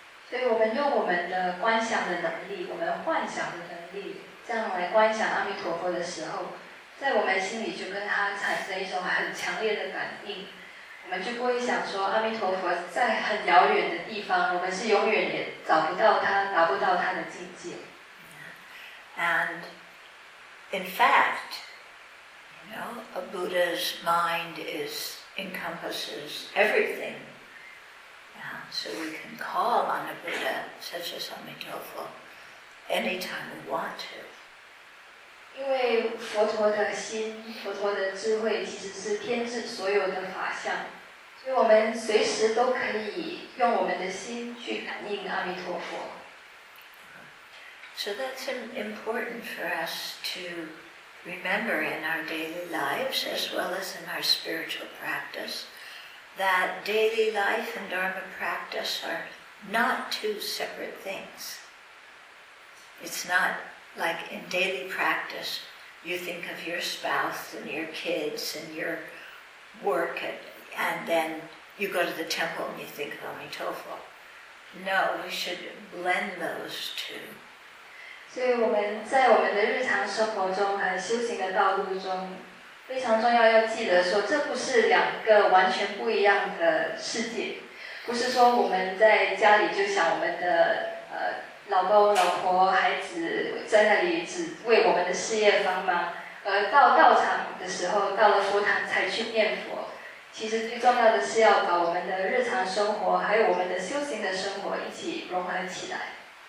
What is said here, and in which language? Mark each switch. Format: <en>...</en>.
<zh>所以我们用我们的观想的能力，我们幻想的能力，这样来观想阿弥陀佛的时候，在我们心里就跟它产生一种很强烈的感应。我们就不会想说阿弥陀佛在很遥远的地方，我们是永远也找不到它，达不到它的境界。</zh> <en>And in fact, you know, a Buddha's mind is encompasses everything. So we can call on a Buddha such as Amitabha anytime we want to.</en> <zh>因为佛陀的心，佛陀的智慧其实是遍至所有的法相，所以我们随时都可以用我们的心去感应阿弥陀佛。</zh> <en>So that's important for us to remember in our daily lives as well as in our spiritual practice, that daily life and Dharma practice are not two separate things. It's not like in daily practice you think of your spouse and your kids and your work and then you go to the temple and you think of Amitabha. No, we should blend those two.</en> <zh>所以我们在我们的日常生活中和修行的道路中非常重要，要记得说这不是两个完全不一样的世界，不是说我们在家里就想我们的老公老婆孩子在那里只为我们的事业繁忙，而到道场的时候到了佛堂才去念佛，其实最重要的是要把我们的日常生活还有我们的修行的生活一起融合起来。</zh>